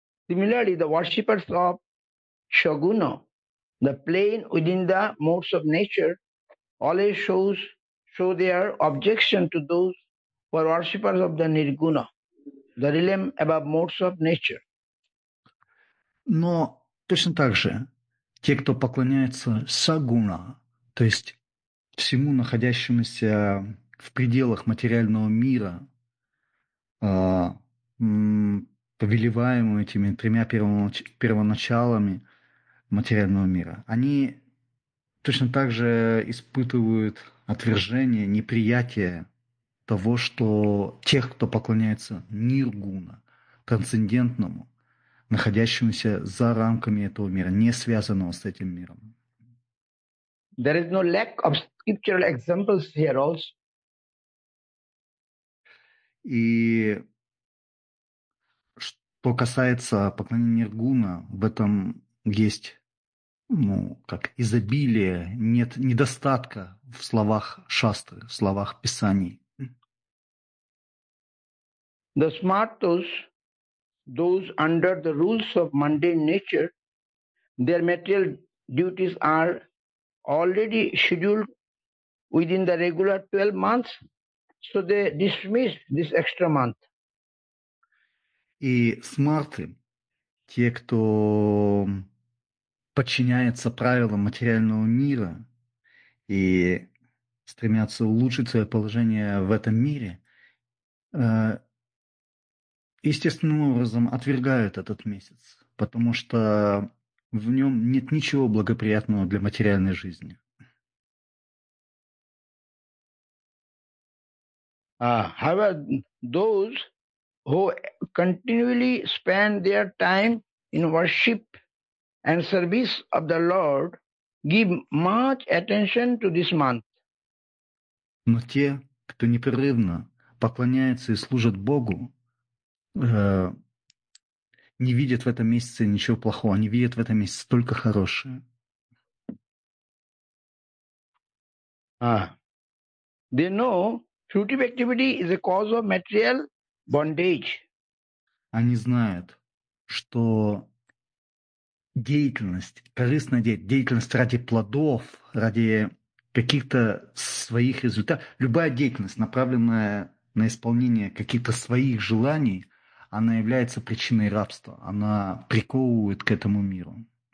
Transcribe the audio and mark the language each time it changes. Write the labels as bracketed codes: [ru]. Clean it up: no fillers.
[en] Similarly, the worshippers of Shoguna, the plane within the modes of nature, always show their objection to those who are worshippers of the Nirguna, the realm above modes of nature. [ru] Но точно так же, те, кто поклоняется Сагуна, то есть всему находящемуся в пределах материального мира, повелеваемым этими тремя первоначалами материального мира, они точно так же испытывают отвержение, неприятие того, что тех, кто поклоняется Ниргуна, трансцендентному, находящемуся за рамками этого мира, не связанного с этим миром. [en] There is no lack of scriptural examples here also. [ru] И что касается поклонения Ниргуна, в этом есть, ну, как изобилие, нет недостатка в словах шастры, в словах писаний. [en] The smartos, those under the rules of mundane nature, their material duties are already scheduled within the regular 12 months, so they dismiss this extra month. [ru] И смарты, те, кто подчиняется правилам материального мира и стремятся улучшить свое положение в этом мире, естественным образом отвергают этот месяц, потому что в нем нет ничего благоприятного для материальной жизни. [en] However, those who continually spend their time in worship and service of the Lord give much attention to this month. [ru] Но те, кто непрерывно поклоняется и служит Богу, не видят в этом месяце ничего плохого. Они видят в этом месяце только хорошее. [en] They know fruitive activity is a cause of material bondage. [ru] Они знают, что деятельность, корыстная деятельность ради плодов, ради каких-то своих результатов, любая деятельность, направленная на исполнение каких-то своих желаний, она является причиной рабства, она приковывает к этому миру.